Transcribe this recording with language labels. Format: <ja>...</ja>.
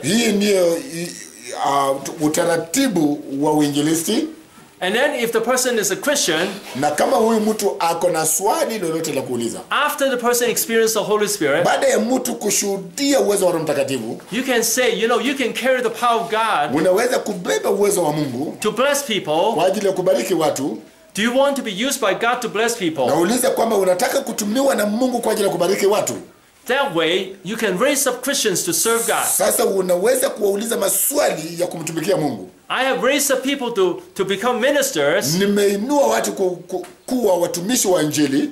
<sw>Hii ndio utaratibu wa uinjilisti.</sw> <en>And then if the person is a Christian,</en> <sw>na kama huyu mtu ako na swali lolote la kuuliza,</sw> <en>after the person experiences the Holy Spirit,</en> <sw>baada ya mtu kushuhudia uwezo wa Roho Mtakatifu,</sw> <en>you can say, you know, you can carry the power of God,</en> <sw>unaweza kubeba uwezo wa Mungu,</sw> <en>to bless people,</en> <sw>kwa ajili ya kubariki watu.</sw> <en>Do you want to be used by God to bless people?</en> <sw>Nauliza kwamba unataka kutumiwa na Mungu kwa ajili ya kubariki watu.</sw> <en>That way you can raise up Christians to serve God.</en> <sw>Sasa unaweza kuwauliza maswali ya kumtumikia Mungu.</sw> <en>I have raised up people to become ministers.</en> <sw>Nimeinua watu kuwa watumishi wa injili.</sw>